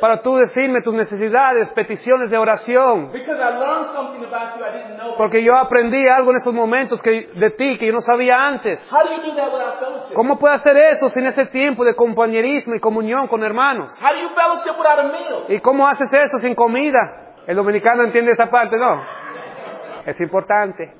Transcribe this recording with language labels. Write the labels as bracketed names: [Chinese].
[Spanish] Para tú decirme tus necesidades, peticiones de oración. [English] Because I learned something about you I didn't know. [Spanish] Porque yo aprendí algo en esos momentos que de ti que yo no sabía antes. [English] How do you do that without fellowship? [Spanish] ¿Cómo puedo hacer eso sin ese tiempo de compañerismo y comunión con hermanos? [English] How do you fellowship without a meal? [Spanish] ¿Y cómo haces eso sin comida? El dominicano entiende esa parte, ¿no? Es importante.